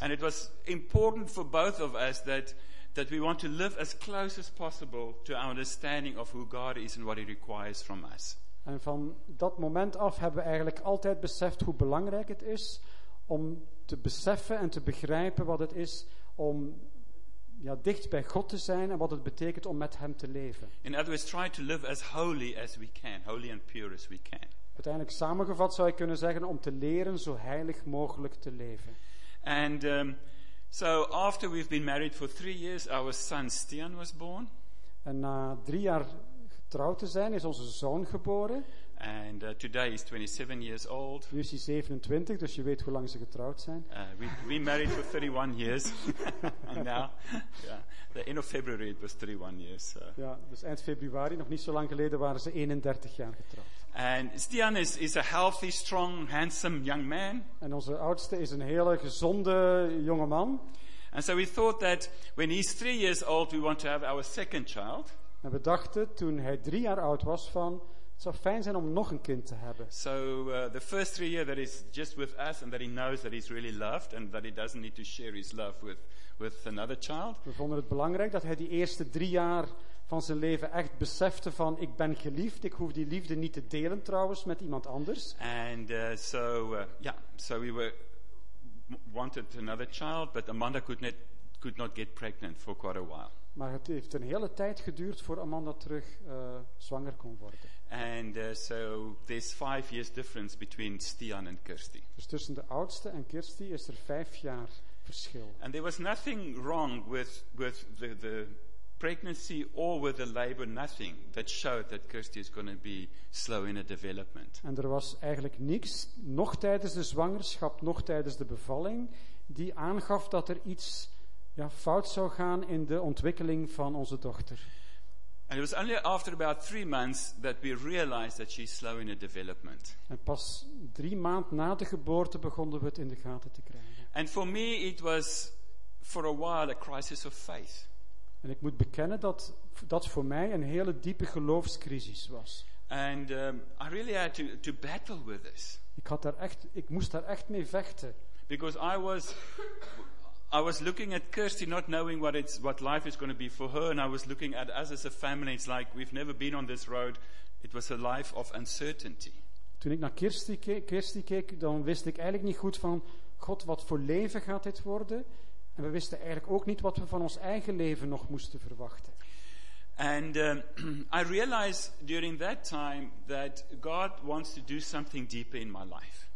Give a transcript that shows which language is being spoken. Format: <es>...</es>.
<en>And it was important for both of us that we want to live as close as possible to our understanding of who God is and what he requires from us.</en> <nl>En van dat moment af hebben we eigenlijk altijd beseft hoe belangrijk het is om te beseffen en te begrijpen wat het is om dicht bij God te zijn en wat het betekent om met hem te leven.</nl> <en>In other words, try to live as holy as we can, holy and pure as we can.</en> <nl>Uiteindelijk samengevat zou ik kunnen zeggen om te leren zo heilig mogelijk te leven.</nl> <en>And so after we've been married for 3 years, our son Stian was born.</en> <nl>En na 3 jaar getrouwd te zijn is onze zoon geboren.</nl> <en>And today he's 27 years old.</en> <nl>Nu is hij 27, dus je weet hoe lang ze getrouwd zijn.</nl> <en>We married for 31 years. And now, the end of February it was 31 years. So.</en> <nl>Ja, dus eind februari, nog niet zo lang geleden, waren ze 31 jaar getrouwd.</nl> <en>And Stian is a healthy, strong, handsome young man.</en> <nl>En onze oudste is een hele gezonde jonge man.</nl> <en>And so we thought that when he's 3 years old, we want to have our second child.</en> <nl>En we dachten toen hij 3 jaar oud was van, het zou fijn zijn om nog een kind te hebben.</nl> <en>So the first 3 years that is just with us and that he knows that he's really loved and that he doesn't need to share his love with another child.</en> <nl>We vonden het belangrijk dat hij die eerste 3 jaar van zijn leven echt besefte van ik ben geliefd, ik hoef die liefde niet te delen trouwens met iemand anders.</nl> <en>And so we wanted another child, but Amanda could not get pregnant for quite a while.</en> <nl>Maar het heeft een hele tijd geduurd voor Amanda terug zwanger kon worden.</nl> <en>And so there's 5 years difference between Stian and Kirsty.</en> <nl>Dus tussen de oudste en Kirsty is er 5 jaar verschil.</nl> <en>And there was nothing wrong with the pregnancy or with the labor, nothing that showed that Kirsty is going to be slow in her development.</en> <nl>En er was eigenlijk niks, nog tijdens de zwangerschap, nog tijdens de bevalling, die aangaf dat er iets fout zou gaan in de ontwikkeling van onze dochter.</nl> <en>And it was only after about 3 months that we realized that she's slow in her development.</en> <nl>En pas 3 maanden na de geboorte begonnen we het in de gaten te krijgen.</nl> <en>And for me it was for a while a crisis of faith.</en> <nl>En ik moet bekennen dat voor mij een hele diepe geloofscrisis was.</nl> <en>And I really had to battle with this.</en> <nl>Ik moest daar echt mee vechten.</nl> <en>Because I was looking at Kirsty, not knowing what life is going to be for her, and I was looking at us as a family. It's like we've never been on this road. It was a life of uncertainty.</en> <nl>Toen ik naar Kirsty keek, dan wist ik eigenlijk niet goed van God, wat voor leven gaat dit worden? En we wisten eigenlijk ook niet wat we van ons eigen leven nog moesten verwachten.</nl> <en>And I realized during that time that God wants to do something deeper in my life.</en>